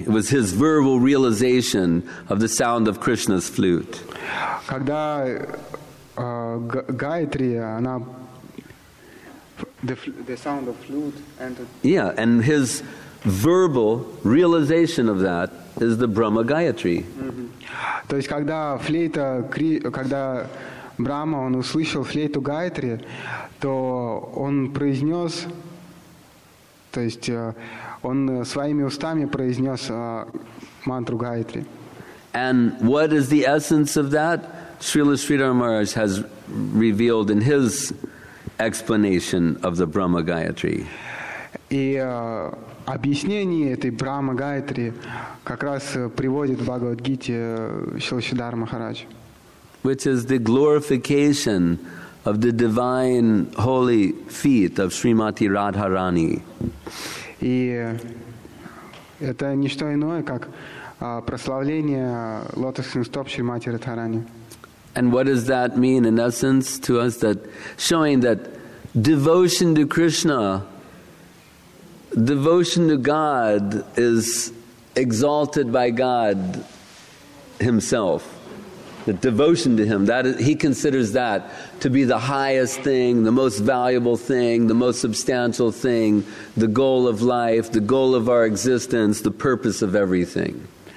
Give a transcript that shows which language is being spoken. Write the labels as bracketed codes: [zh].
[en] It was his verbal realization of the sound of Krishna's flute. [ru] Когда Гаятри, она [en] the sound of flute entered. Yeah, and his verbal realization of that is the Brahma Gayatri. [ru] То есть когда флейта, когда Брама, он услышал флейту Гаятри, то он произнес, то есть он своими устами произнес мантру Гаятри. [en] And what is the essence of that? Srila Sridhar Maharaj has revealed in his explanation of the Brahma Gayatri. [ru] И объяснение этой Брахма Гаятри как раз приводит в Бхагавад-гите Шрила Сридхара Махараджа. [en] Which is the glorification of the divine holy feet of Srimati Radharani. [ru] И это не что иное, как прославление лотосных стоп Шримати Радхарани. [en] And what does that mean in essence to us, that showing that devotion to Krishna, devotion to God is exalted by God Himself. The devotion to Him, that is, He considers that to be the highest thing, the most valuable thing, the most substantial thing, the goal of life, the goal of our existence, the purpose of everything.